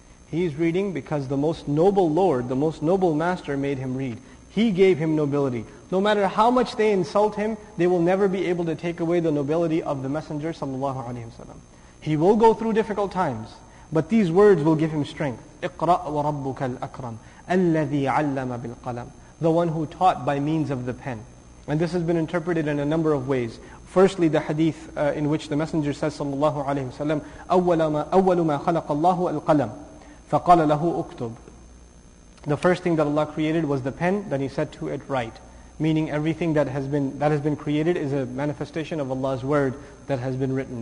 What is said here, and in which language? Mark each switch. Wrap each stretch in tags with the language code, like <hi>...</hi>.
<en>He's reading because the most noble lord, the most noble master made him read. He gave him nobility. No matter how much they insult him, they will never be able to take away the nobility of the Messenger sallallahu alaihi wasallam. He will go through difficult times, but these words will give him strength.</en> <ar>اقرأ وربك الأكرم الذي علم بالقلم.</ar> <en>The one who taught by means of the pen. And this has been interpreted in a number of ways. Firstly, the hadith in which the Messenger says sallallahu alaihi wasallam,</en> <ar>أول ما خلق الله القلم فقال له اكتب.</ar> <en>The first thing that Allah created was the pen, then He said to it, write. Meaning everything that has been created is a manifestation of Allah's word that has been written.</en>